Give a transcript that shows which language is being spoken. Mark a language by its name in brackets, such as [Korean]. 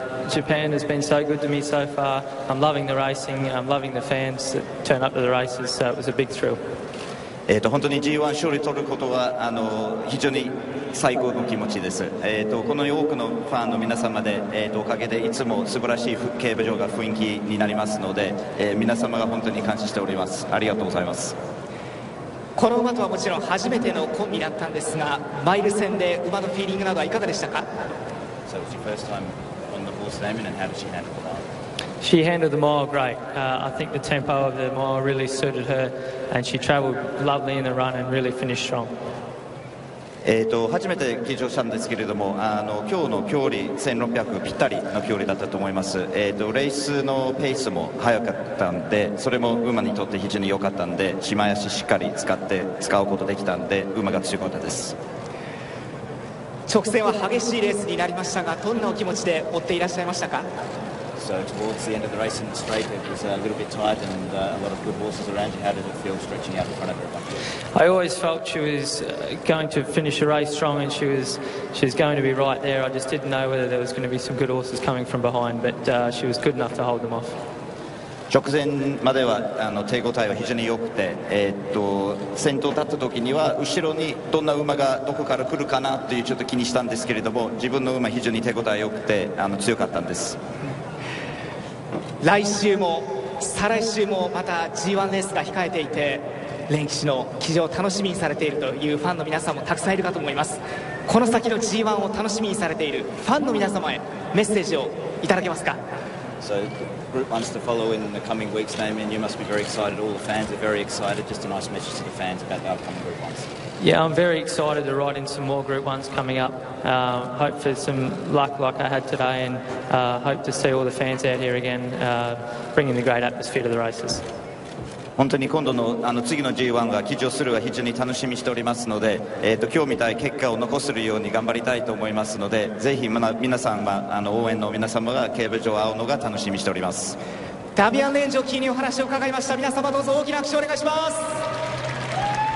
[English] Japan has been so good to me so far. I'm loving the racing. I'm loving the fans that turn up to the races. So it was a big thrill. [Japanese] 本当に G1 勝利取ることは非常に最高の気持ちです。このように多くのファンの皆様で、おかげでいつも素晴らしい競馬場が雰囲気になりますので、皆様が本当に感謝しております。ありがとうございます。この馬とはもちろん初めてのコンビだったんですが、マイル戦で馬のフィーリングなどはいかがでしたか。 [English] So it was your first time on the horse name, and how did she handle the mile? She handled the mile great. I think the tempo of the mile really suited her, and she travelled lovely in the run and really finished strong. [Japanese] 初めて騎乗したんですけれども、今日の距離1600ぴったりの距離だったと思います。レースのペースも速かったんで、それも馬にとって非常に良かったんで、島足しっかり使うことできたんで、馬が強かったです。直線は激しいレースになりましたが、どんなお気持ちで追っていらっしゃいましたか。 [English] So towards the end of the race in the straight, it was a little bit tight and a lot of good horses around you. How did it feel stretching out in front of her? I always felt she was going to finish the race strong, and she was going to be right there. I just didn't know whether there was going to be some good horses coming from behind, but she was good enough to hold them off. [Japanese] 直前まではあの手応えは非常に良くて、先頭立った時には後ろにどんな馬がどこから来るかなっていうちょっと気にしたんですけれども自分の馬非常に手応え良くてあの強かったんです。来週も再来週もまた G1 レースが控えていて連騎士の騎乗を楽しみにされているというファンの皆さんもたくさんいるかと思います。この先の G1 を楽しみにされているファンの皆様へメッセージをいただけますか。 [English] So, Group 1 is to follow in the coming weeks, Damian. You must be very excited. All the fans are very excited. Just a nice message to the fans about the upcoming Group 1s. Yeah, I'm very excited to ride in some more Group 1s coming up. Hope for some luck like I had today and hope to see all the fans out here again, bringing the great atmosphere to the races. [Japanese] 本当に今度 の, あの次の G1 が騎乗するが非常に楽しみしておりますので、今日みたい結果を残するように頑張りたいと思いますのでぜひ皆さんはあの応援の皆様が競馬場を会うのが楽しみしております。ダビアン連城キーにお話を伺いました。皆様どうぞ大きな拍手をお願いします。